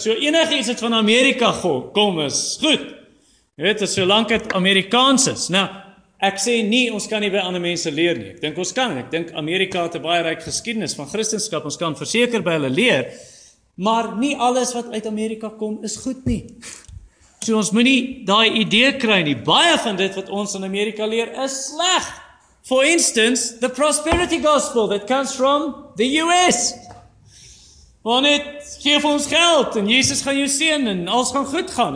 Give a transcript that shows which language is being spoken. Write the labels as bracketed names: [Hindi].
[Afrikaans] So enig iets wat van Amerika kom is, goed. Jy weet, so lank het Amerikaans is. Nou, ek sê nie, ons kan nie by ander mense leer nie. Ek dink ons kan. Ek dink Amerika het 'n baie ryk geskiedenis van Christendom. Ons kan verseker by hulle leer. Maar nie alles wat uit Amerika kom is goed nie. So ons moet nie daai idee kry nie. Baie van dit wat ons in Amerika leer is sleg. [English] For instance, the prosperity gospel that comes from the US. [Afrikaans] Want het geef ons geld en Jesus gaan jou seën en alles gaan goed gaan.